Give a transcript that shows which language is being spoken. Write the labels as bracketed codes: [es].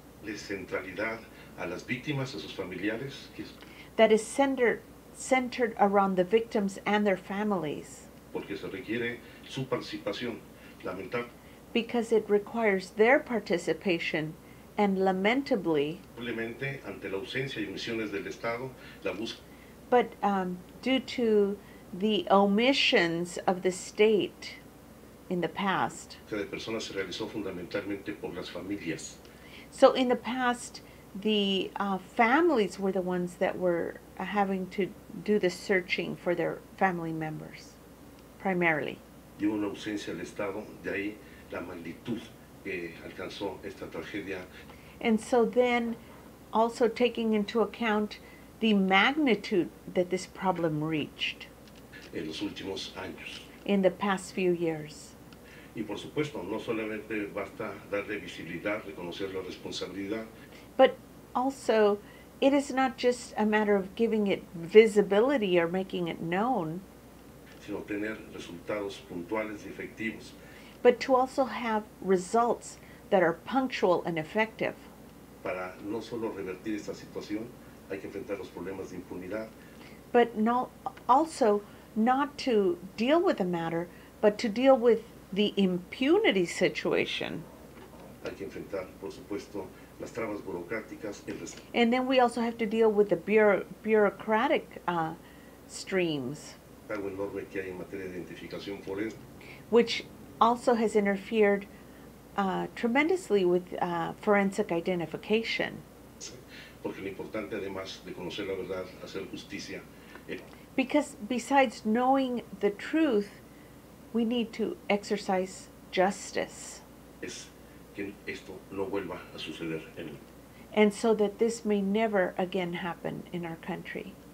[es] La centralidad a las víctimas a sus familiares. [en] That is centered around the victims and their families. [es] Porque se requiere su participación. Lamentable. [en] Because it requires their participation. And lamentably, [es] ante la ausencia y omisiones del Estado, la [en] but due to the omissions of the state in the past, [es] que de personas se realizó fundamentalmente por las familias. [en] So in the past, the families were the ones that were having to do the searching for their family members, primarily. [es] Y de una ausencia del Estado, de ahí la magnitud que alcanzó esta tragedia. [en] And so then, also taking into account the magnitude that this problem reached [es] en los últimos años. [en] In the past few years. [es] Y por supuesto, no solamente basta darle visibilidad, reconocer la responsabilidad. [en] But also, it is not just a matter of giving it visibility or making it known. [es] Sino tener resultados puntuales y efectivos. [en] But to also have results that are punctual and effective. [es] Para no solo revertir esta situación, hay que enfrentar los problemas de impunidad. [en] But also not to deal with the matter, but to deal with the impunity situation. [es] Hay que enfrentar, por supuesto, las trabas burocráticas. [en] And then we also have to deal with the bureaucratic streams. [es] Algo enorme que hay en materia de identificación forense. [en] Which also has interfered tremendously with forensic identification. [es] Porque lo importante, además de conocer la verdad, hacer justicia. [en] Because besides knowing the truth, we need to exercise justice. [es] Es que esto no vuelva a suceder en el... [en] And so that this may never again happen in our country.